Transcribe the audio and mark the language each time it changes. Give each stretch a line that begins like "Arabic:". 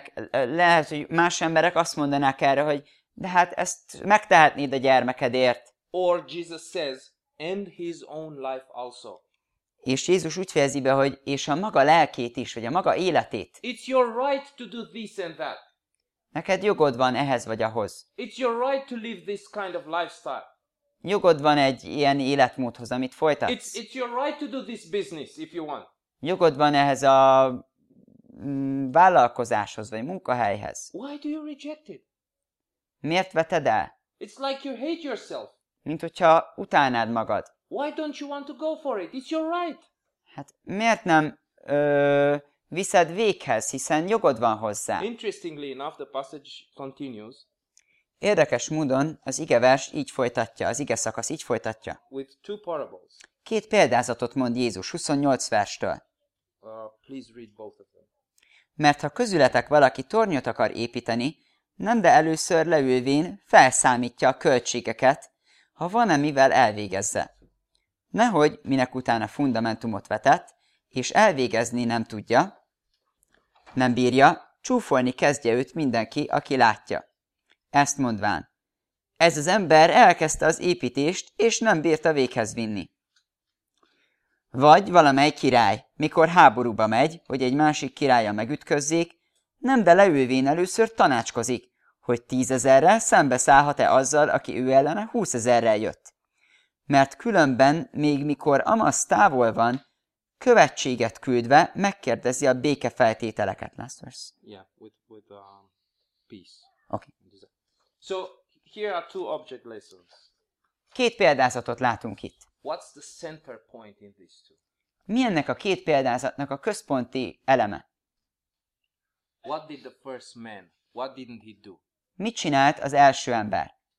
Hungarian: Lehet, hogy más emberek azt mondanák erre, hogy de hát ezt megtehetnéd a gyermekedért.
English: Or Jesus says, and his own life also.
Hungarian: És Jézus úgy fejezi be, hogy és a maga lelkét is, vagy a maga életét.
English: It's your right to do this and that.
Hungarian: Neked jogod van ehhez vagy ahhoz.
English: It's your right to live this kind of lifestyle.
Hungarian: Jogod van egy ilyen életmódhoz, amit folytatsz.
English: It's your right to do this business if you want.
Hungarian: Jogod van ehhez a vállalkozáshoz vagy munkahelyhez.
English: Why do you reject it?
Hungarian: Miért veted el?
English: It's like you hate yourself.
Hungarian: Mint hogyha utálnád magad.
English: Why don't you want to go for it? It's your right.
Hungarian: Hát miért nem viszed véghez, hiszen jogod van hozzá.
English: Interestingly enough, the passage continues.
Hungarian: Érdekes módon az igevers így folytatja, az ige szakasz így folytatja.
English: With two parables.
Hungarian: Két példázatot mond Jézus 28 verstől.
English: Please read both of them.
Hungarian: Mert ha közületek valaki tornyot akar építeni, nem de először leülvén felszámítja a költségeket, ha van-e mivel elvégezze. Nehogy minek utána fundamentumot vetett, és elvégezni nem tudja, nem bírja, csúfolni kezdje őt mindenki, aki látja. Ezt mondván, ez az ember elkezdte az építést, és nem bírta véghez vinni. Vagy valamely király, mikor háborúba megy, hogy egy másik királya megütközzék, nem de leülvén először tanácskozik, hogy 10 000-rel szembeszállhat-e azzal, aki ő ellene 20 000-rel jött. Mert különben, még mikor amaz távol van, követséget küldve megkérdezi a béke feltételeket.
English: Last verse. Yeah, with peace. Okay. So, here are two object lessons.
Hungarian: Két példázatot látunk itt.
English: What's the center point in these two?
Hungarian: Mi ennek a két példázatnak a központi eleme?
English: What did the first man? What didn't he do?
Hungarian: Mit csinált az első ember?